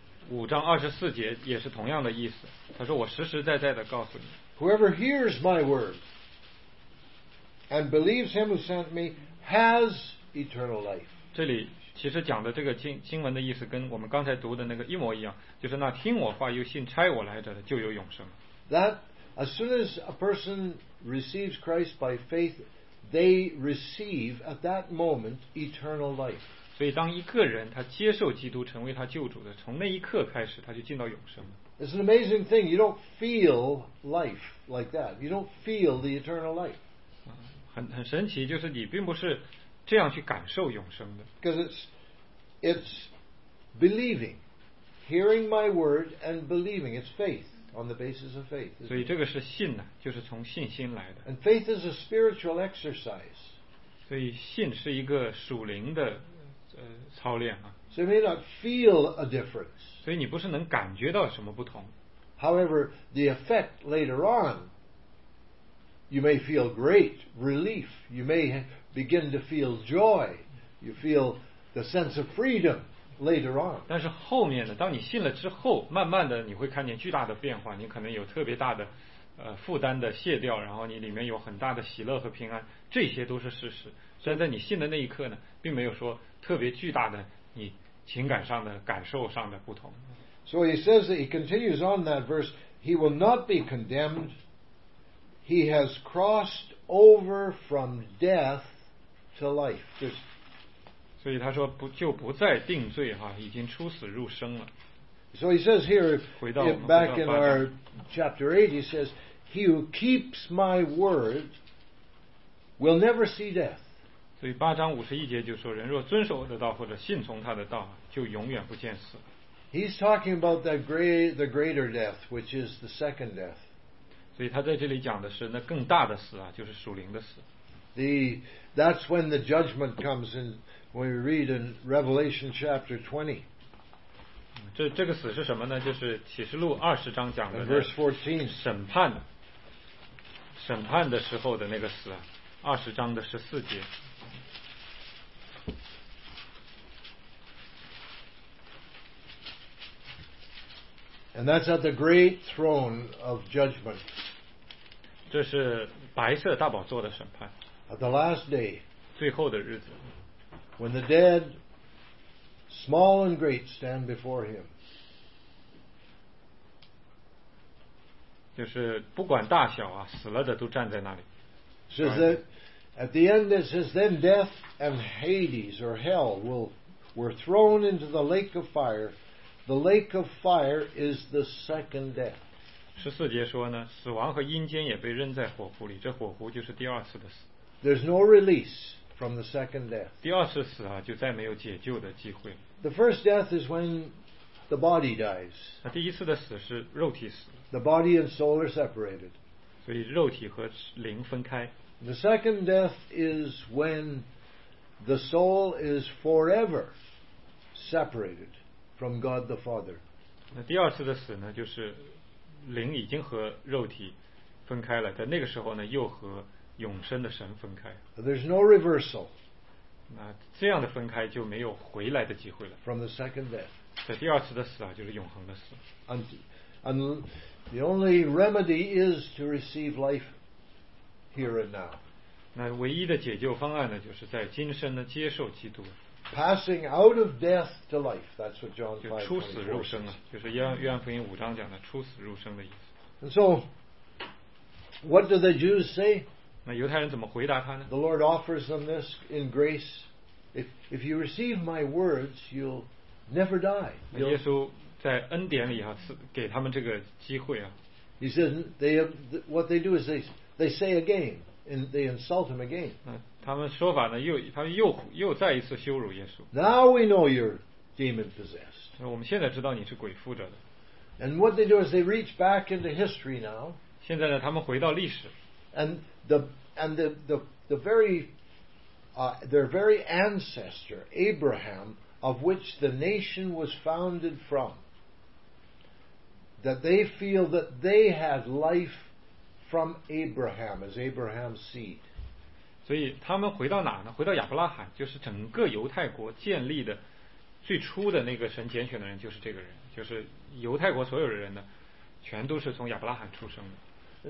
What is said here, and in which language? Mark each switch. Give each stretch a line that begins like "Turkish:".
Chinese: 五章二十四节也是同样的意思，他说我实实在在的告诉你。
English: Whoever hears my word and believes him who sent me has eternal life.
Chinese: 这里其实讲的这个经文的意思跟我们刚才读的那个一模一样，就是那听我话又信差我来者的就有永生。
English: That as soon as a person receives Christ by faith, they receive at that moment eternal life.
Chinese: 所以当一个人他接受基督成为他救主的，从那一刻开始他就进到永生了。
English: It's an amazing thing. You don't feel life like that. You don't feel the eternal life.
Chinese: 很神奇，就是你并不是这样去感受永生的。
English: Because it's believing, hearing my word and believing. It's faith on the basis of faith.
Chinese: 所以这个是信呢，就是从信心来的。
English: And faith is a spiritual exercise.
Chinese: 所以信是一个属灵的操练啊。
English: So you may not feel a difference.
Chinese: 所以你不是能感觉到什么不同。
English: However, the effect later on, you may feel great relief. You may begin to feel joy. You feel the sense of freedom later on.
Chinese: 但是后面呢，当你信了之后，慢慢的你会看见巨大的变化。你可能有特别大的负担的卸掉，然后你里面有很大的喜乐和平安，这些都是事实。虽然在你信的那一刻呢，并没有说特别巨大的你情感上的感受上的不同。
English: So he says that he continues on that verse, he will not be condemned, he has crossed over from death to life.
Chinese: 就是，所以他说就不再定罪哈，已经出死入生了。
English: So he says here, back in our chapter 8, he says, he who keeps my word will never see death.
Chinese: 所以八章五十一节就说，人若遵守我的道或者信从他的道，就永远不见死。
English: He's talking about the greater death, which is the second death.
Chinese: 所以他在这里讲的是那更大的死啊，就是属灵的死。
English: That's when the judgment comes in, when we read in Revelation chapter 20.
Chinese: 这个死是什么呢？就是启示录二十章讲的
English: verse 14,
Chinese: 审判的时候的那个死，二十章的十四节。
English: And that's at the great throne of judgment.
Chinese: 这是白色大宝座的审判。
English: At the last day,
Chinese: 最后的日子。
English: When the dead, small and great, stand before him.
Chinese: 就是不管大小啊，死了的都站在那里。
English: So that at the end it says, then death and Hades or hell were thrown into the lake of fire. The lake of fire is the second death.
Chinese: 十四节说呢，死亡和阴间也被扔在火湖里，这火湖就是第二次的死。
English: There's no release from the second death.
Chinese: 第二次死啊，就再没有解救的机会。
English: The first death is when the body dies.
Chinese: 那第一次的死是肉体死。
English: The body and soul are separated.
Chinese: 所以肉体和灵分开。
English: The second death is when the soul is forever separated. From God the Father.
Chinese: 那第二次的死呢，就是灵已经和肉体分开了，在那个时候呢，又和永生的神分开。
English: There's no reversal.
Chinese: 那这样的分开就没有回来的机会了。
English: From the second death.
Chinese: 在第二次的死啊，就是永恒的死。
English: And the only remedy is to receive life here and now.
Chinese: 那唯一的解救方案呢，就是在今生呢接受基督。
English: Passing out of death to life. That's what John 5:24.
Chinese: 出死入生啊，就是约翰福音五章讲的出死入生的意思。
English: And so, what do the Jews say?
Chinese: 那犹太人怎么回答他呢？
English: The Lord offers them this in grace. If you receive my words, you'll never die.
Chinese: 耶稣在恩典里啊，赐给他们这个机会啊。
English: He says what they do is they say again. And they insult him again.
Chinese: 他们说法呢，他们又再一次羞辱耶稣。
English: Now we know you're demon possessed.
Chinese: 我们现在知道你是鬼附着的。
English: And what they do is they reach back into history now.
Chinese: 现在呢，他们回到历史。
English: And the very their very ancestor Abraham of which the nation was founded from, that they feel that they had life from Abraham, as Abraham's seed.
Chinese: 所以他们回到哪呢？回到亚伯拉罕，就是整个犹太国建立的最初的那个神拣选的人，就是这个人，就是犹太国所有的人呢，全都是从亚伯拉罕出生的。